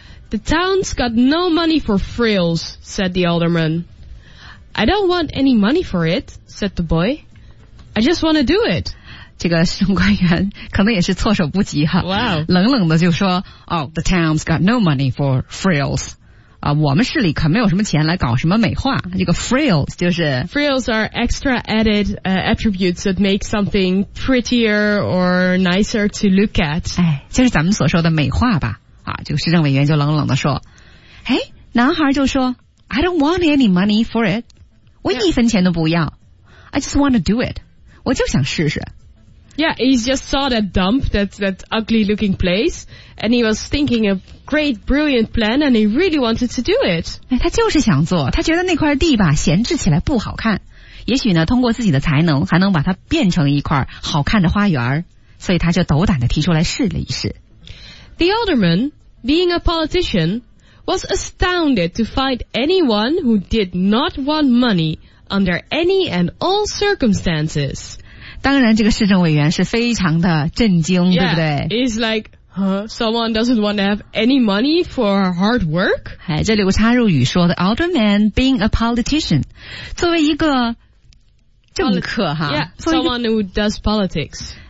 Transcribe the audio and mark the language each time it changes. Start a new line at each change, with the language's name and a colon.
English: The town's got no money for frills said the alderman I don't want any money for it said the boyI just want to do it.
Chinese: 这个市政官员可能也是措手不及哈。
English: Wow.
Chinese: 冷冷的就说
English: Oh, the town's got no money for frills.、
Chinese: 我们市里可没有什么钱来搞什么美化。这个 frills 就是
English: Frills are extra added、attributes that make something prettier or nicer to look at.
Chinese: 哎，就是咱们所说的美化吧。啊，这个市政委员就冷冷的说哎，男孩就说
English: I don't want any money for it.
Chinese: 我一分钱都不要。
English: Yeah. I just want to do it.
Chinese: 我就想试试。
English: Yeah, he just saw that dump, that ugly looking place, and he was thinking a great brilliant plan, and he really wanted to do it.
Chinese: 他就是想做，他觉得那块地吧，闲置起来不好看。也许呢，通过自己的才能，还能把它变成一块好看的花园。所以他就斗胆地提出来试了一试。
English: The alderman, being a politician, was astounded to find anyone who did not want money,Under any and all circumstances.
Chinese: 当然这个市政委员是非常的震惊
English: yeah,
Chinese: 对不对
English: He's like, someone doesn't want to have any money for hard work?
Chinese: 这里我插入语说
English: The alderman being a politician.
Chinese: 作为一个政客哈
English: yeah, Someone who does politics.